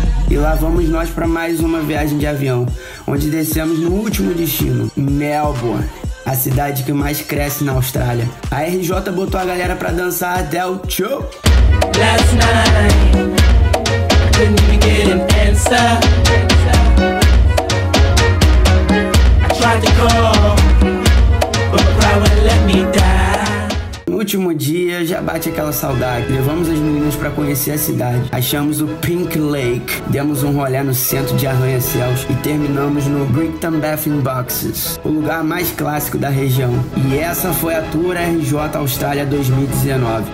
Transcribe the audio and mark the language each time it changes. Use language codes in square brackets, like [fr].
[pt] E lá vamos nós pra mais uma viagem de avião, onde descemos no último destino, Melbourne. A cidade que mais cresce na Austrália. A RJ botou a galera pra dançar até o show. [en] Last night, couldn't even get an answer. I tried to call, but the crowd wouldn't let me die. [pt] Último dia, já bate aquela saudade. Levamos as meninas pra conhecer a cidade. Achamos o Pink Lake. Demos um rolê no centro de arranha-céus. E terminamos no Brighton Baffin Boxes, o lugar mais clássico da região. E essa foi a Tour RJ Austrália 2019.